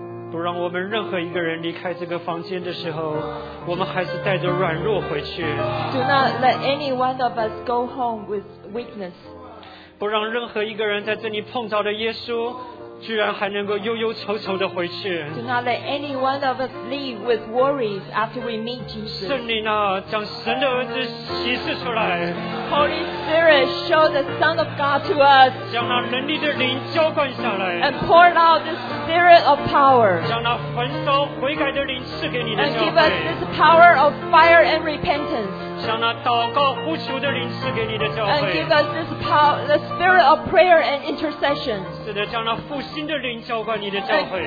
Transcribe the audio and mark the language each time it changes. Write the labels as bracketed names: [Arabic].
[Chinese] 不让我们任何一个人离开这个房间的时候，我们还是带着软弱回去。 [English] Do not let any one of us go home with weakness. [Chinese] 不让任何一个人在这里碰到的耶稣，居然还能够忧忧愁愁的回去。 [English] Do not let any one of us leave with worries after we meet Jesus. [Chinese] 圣灵啊，将神的儿子启示出来。 [English] Holy Spirit, show the Son of God to us. [Chinese] 将那能力的灵浇灌下来。 [English] And pour out the Spirit of power. [Chinese] 将那焚烧悔改的灵赐给你的教会。 [English] And give us this power of fire and repentance. [Chinese] 向那祷告呼求的灵赐给你的教会。 [English] And give us this power, the spirit of prayer and intercession. [Chinese] 是的，将那复兴的灵浇灌你的教会。